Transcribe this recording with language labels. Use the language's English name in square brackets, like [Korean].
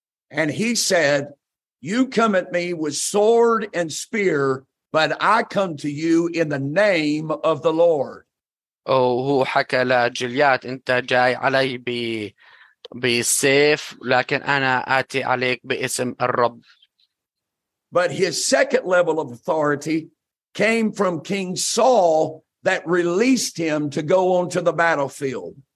[English] And he said, you come at me with sword and spear, but I come to you in the name of the Lord. [Arabic] وهو حكى لجليات انت جاي علي بسيف لكن انا اتي عليك باسم الرب. [English] But his second level of authority came from King Saul that released him to go onto the battlefield.